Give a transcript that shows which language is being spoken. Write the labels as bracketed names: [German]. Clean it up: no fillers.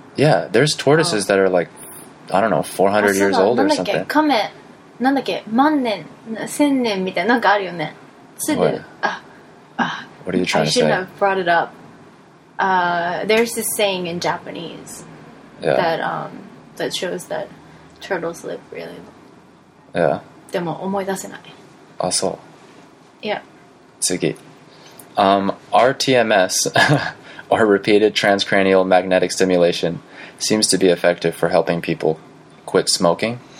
[English] Yeah, there's tortoises that are like, I don't know, 400 years old or something. [Japanese] カメ、なんだっけ、万年、千年みたいな、なんかあるよね。 [English] What are you trying to say? I shouldn't have brought it up. There's this saying in Japanese that shows that turtles live really long. Yeah. [Japanese] でも思い出せない。あ、そう。 [English] Yeah. 次。RTMS, or repeated transcranial magnetic stimulation,seems to be effective for helping people quit smoking.